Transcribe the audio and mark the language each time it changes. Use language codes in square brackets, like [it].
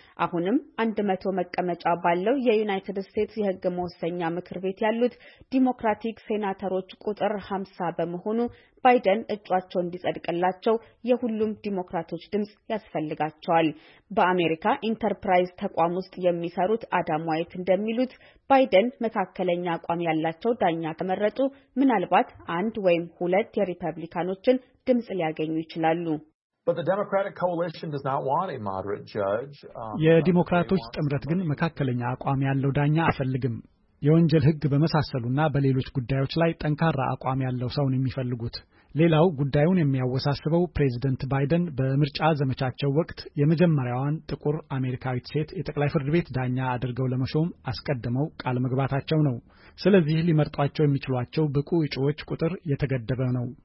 [am] አሁንም 100 መቀመጫ ባለው የዩናይትድ ስቴትስ የህግ መወሰኛ ምክር ቤት ያሉት ዲሞክራቲክ ሴናተሮች ቁጥር 50 በመሆኑ ባይደን እጩአቸው እንዲጸድቅላቸው የሁሉም ዲሞክራቶች ድምጽ ያስፈልጋቸዋል። በአሜሪካ ኢንተርፕራይዝ ተቋም ውስጥ የሚሰሩት አዳም ዋይት እንደሚሉት ባይደን መካከለኛ አቋም ያላቸው ዳኛ ተመረጡ ምናልባት አንድ ወይም ሁለት የሪፐብሊካኖችን ድምጽ ሊያገኙ ይችላሉ። [en] But the Democratic coalition does not want a moderate judge. [am] የዲሞክራቶች ጥምረት ግን መካከለኛ አቋም ያለው ዳኛ አፈልግም። የወንጀል ህግ በመሳሰሉና በሌሎች ጉዳዮች ላይ ጠንካራ አቋም ያለው ሰው ነው የሚፈልጉት። ሌላው ጉዳዩን የሚያወሳስበው ፕሬዝዳንት ባይደን በምርጫ ዘመቻቸው ወቅት የመጀመሪያዋን ጥቁር አሜሪካዊት ሴት የጠቅላይ ፍርድ ቤት ዳኛ አድርገው ለመሾም አስቀድመው ቃል መግባታቸው ነው። ስለዚህ ሊመርጧቸው የሚችሏቸው ብቁ እጩዎች ቁጥር የተገደበ ነው።